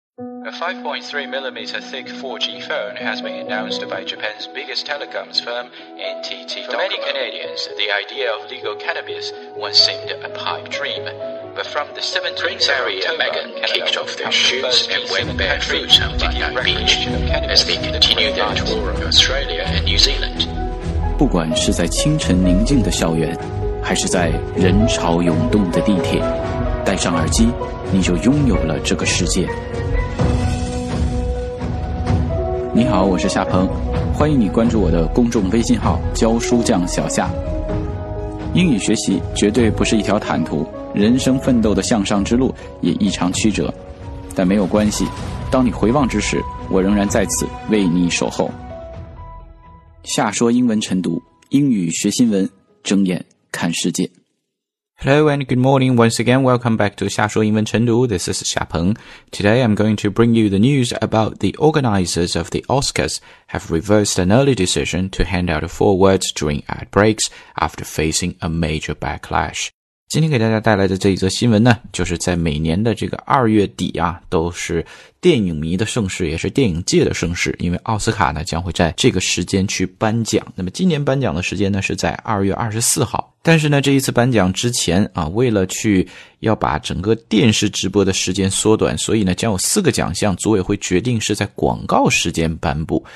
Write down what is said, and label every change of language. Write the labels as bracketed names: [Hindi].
[English] A 5.3 millimeter thick 4G phone has been announced by Japan's biggest telecoms firm, NTT Docomo. For many Canadians, the idea of legal cannabis once seemed a pipe dream. But from the 17th of October, Megan kicked off their shoots and went barefoot on Bondi Beach as they continued their tour of Australia and New Zealand. [Chinese] 不管是在清晨宁静的校园，还是在人潮涌动的地铁，戴上耳机，你就拥有了这个世界。你好，我是夏鹏，欢迎你关注我的公众微信号教书匠小夏。英语学习绝对不是一条坦途，人生奋斗的向上之路也异常曲折，但没有关系，当你回望之时，我仍然在此为你守候。夏说英文晨读，英语学新闻，睁眼看世界。 [English] Hello and good morning. Once again, welcome back to 夏说英文晨读. This is 夏鹏. Today, I'm going to bring you the news about the organizers of the Oscars have reversed an early decision to hand out awards during ad breaks after facing a major backlash. [Chinese] 今天给大家带来的这一则新闻呢，就是在每年的这个二月底啊，都是电影迷的盛事，也是电影界的盛事，因为奥斯卡呢将会在这个时间去颁奖。那么今年颁奖的时间呢是在2月24号。但是呢这一次颁奖之前啊，为了去要把整个电视直播的时间缩短，所以呢将有四个奖项组委会决定是在广告时间颁布。